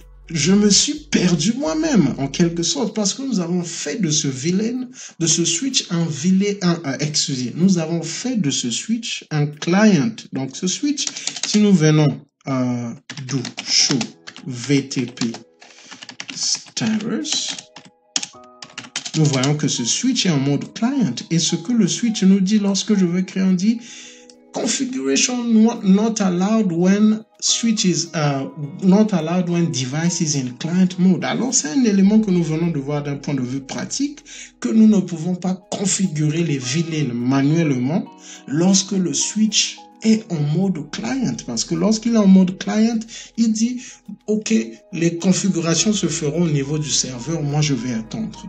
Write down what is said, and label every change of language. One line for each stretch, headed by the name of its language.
French: Je me suis perdu moi-même, en quelque sorte, parce que nous avons fait de ce vilain, de ce switch, un vilain, nous avons fait de ce switch un client. Donc, ce switch, si nous venons do show VTP status, nous voyons que ce switch est en mode client. Et ce que le switch nous dit lorsque je veux créer, on dit
English: Configuration not allowed when switches not allowed when device is in client mode.
French: Alors, c'est un élément que nous venons de voir d'un point de vue pratique, que nous ne pouvons pas configurer les VLAN manuellement lorsque le switch est en mode client. Parce que lorsqu'il est en mode client, il dit, OK, les configurations se feront au niveau du serveur, moi je vais attendre.